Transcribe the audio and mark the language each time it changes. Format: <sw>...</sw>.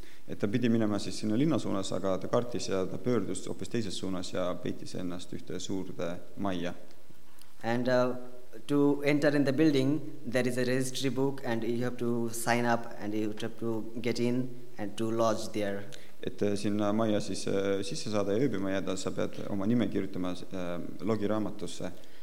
<et>Et ta pidi minema siis sinna linna suunas, aga ta kartis ja ta pöördus hoopis teises suunas ja peitis ennast ühte suurde majja.</et> <en>And to enter in the building, there is a registry book and you have to sign up and you have to get in and to lodge there.</en> <et>Et sinna maja siis sisse saada ja ööbima jääda, sa pead oma nime kirjutama logiraamatusse.</et>